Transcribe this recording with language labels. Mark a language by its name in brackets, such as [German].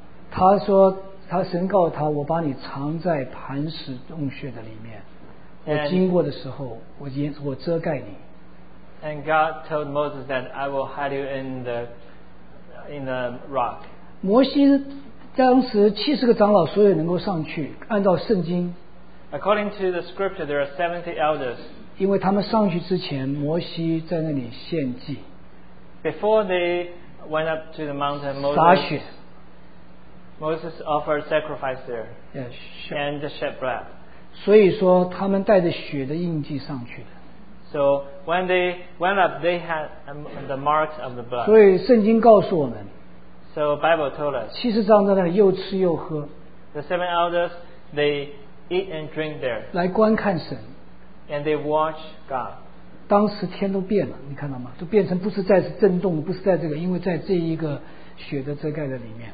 [Chinese] 他说他神告他，我把你藏在磐石洞穴的里面，我经过的时候，我遮盖你。 [English] And God told Moses that I will hide you in the rock. [Chinese] 摩西当时70个长老所有能够上去，按照圣经。 [English] According to the scripture, there are 70 elders. [Chinese] 因为他们上去之前，摩西在那里献祭。 [English] Before they went up to the mountain, Moses [Chinese] 撒血。 [English] Moses offered sacrifice there. Yes. And the shed blood. [Chinese] 所以说，他们带着血的印记上去的。 [English] So when they went up, they had the marks of the blood. [Chinese] 所以圣经告诉我们。 [English] So Bible told us. [Chinese] 70长老在那里又吃又喝。 [English] The 70 elders, they eat and drink there. [Chinese] 来观看神。 [English] And they watch God. [Chinese] 当时天都变了，你看到吗？都变成不是在震动，不是在这个，因为在这一个血的遮盖的里面。